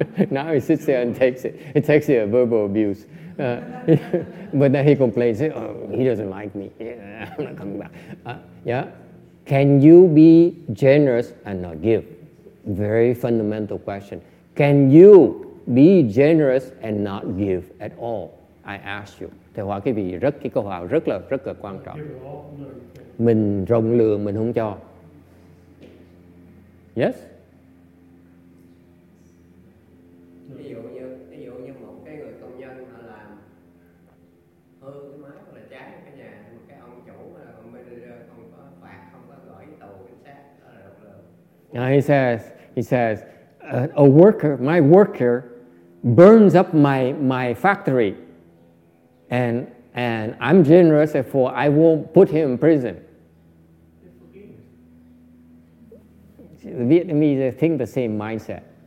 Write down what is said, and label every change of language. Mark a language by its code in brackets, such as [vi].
[en] Now he sits there and takes it. It takes it a verbal abuse. But then he complains, oh, he doesn't like me. Yeah, I'm not coming back. Yeah? Can you be generous and not give? Very fundamental question. Can you be generous and not give at all? I ask you. [vi] Thầy hỏi cái vị rất cái câu hỏi rất là quan trọng. Mình rộng lượng mình không cho. [en] Yes? [vi] Ví dụ như một cái người công nhân họ làm hư cái máy hoặc là cháy cái nhà, một cái ông chủ là ông manager không có phạt, không có gửi tàu cảnh sát, đó là rộng lượng. [en] Now he says. A worker, my worker, burns up my factory, and I'm generous, therefore I won't put him in prison. The Vietnamese think the same mindset.